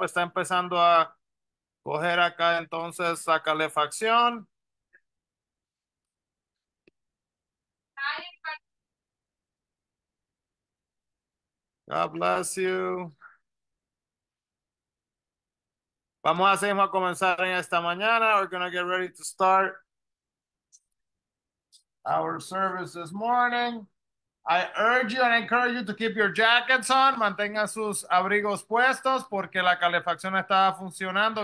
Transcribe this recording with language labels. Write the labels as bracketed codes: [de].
[es] Está empezando a coger acá, entonces, la calefacción. [en] God bless you. [es] Vamos a seguir a comenzar en esta mañana. [en] We're gonna get ready to start our service this morning. I urge you and encourage you to keep your jackets on. [es] Mantenga sus abrigos puestos porque la calefacción estaba funcionando.